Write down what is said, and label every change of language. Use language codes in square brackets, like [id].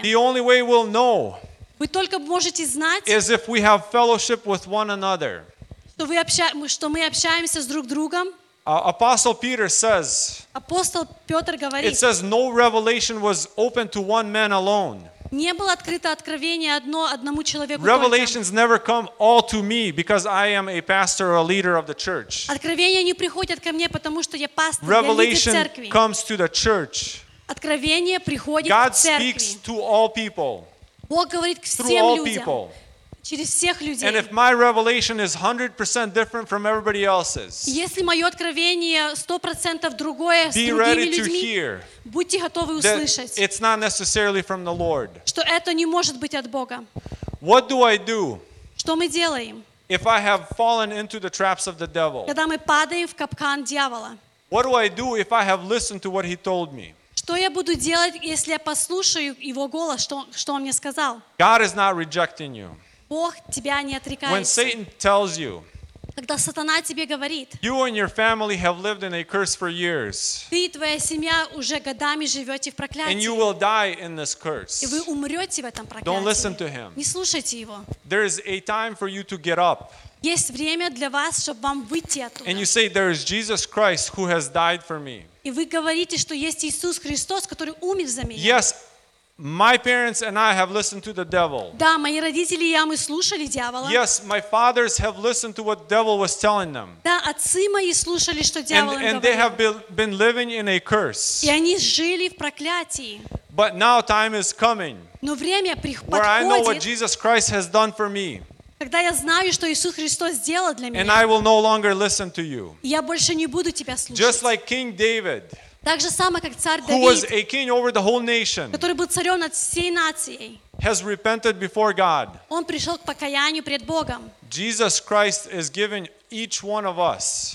[en] The only way we'll know. [ru] Вы только можете знать. [en] Is if we have fellowship with one another. [ru] Что мы общаемся с друг другом. [en] Apostle Peter says. [ru] Апостол Петр говорит. [en] It says no revelation was open to one man alone. [ru] Не было открыто откровение одному человеку только. [en] Revelations never come all to me because I am a pastor or a leader of the church. [ru] Откровения не приходят ко мне, потому что я пастор, я лидер церкви. [en] Revelation comes to the church. [ru] Откровение приходит [en] God speaks to all people. [ru] Бог говорит к всем людям. [en] Through all people. [ru] Через всех людей. [en] And if my revelation is 100% different from everybody else's. [ru] Если моё откровение 100% другое с другими людьми. Будьте готовы услышать. [en] It's not necessarily from the Lord. [ru] Что это не может быть от Бога. [en] What do I do? [ru] Что мы делаем? [en] If I have fallen into the traps of the devil. [ru] Когда мы падаем в капкан дьявола. [en] What do I do if I have listened to what he told me? [ru] Что я буду делать, если я послушаю его голос, что он мне сказал? [en] God is not rejecting you. [ru] Бог тебя не отрекается. [en] When Satan tells you, [ru] когда сатана тебе говорит, [en] you and your family have lived in a curse for years, [ru] ты и твоя семья уже годами живете в проклятии, [en] and you will die in this curse, [ru] и вы умрете в этом проклятии. [en] Don't listen to him. [ru] Не слушайте его. [en] There is a time for you to get up. [ru] Есть время для вас, чтобы вам выйти оттуда. [en] And you say, there is Jesus Christ who has died for me. [ru] И вы говорите, что есть Иисус Христос, который умер за меня. [en] Yes. My parents and I have listened to the devil. [ru] Да, мои родители и я мы слушали дьявола. [en] Yes, my fathers have listened to what the devil was telling them. [ru] Да, отцы мои слушали, что дьявол им говорил. [en] And they have been living in a curse. [ru] И они жили в проклятии. [en] But now time is coming. [ru] Но время подходит. [en] Where I know what Jesus Christ has done for me. [ru] Когда я знаю, что Иисус Христос сделал для меня. [en] And I will no longer listen to you. [ru] Я больше не буду тебя слушать. [en] Just like King David. [ru] Так же само, как царь Давид, [en] who was a king over the whole nation, [ru] который был царем над всей нацией, [en] has repented before God. [ru] Он пришел к покаянию пред Богом. [en] Jesus Christ is giving each one of us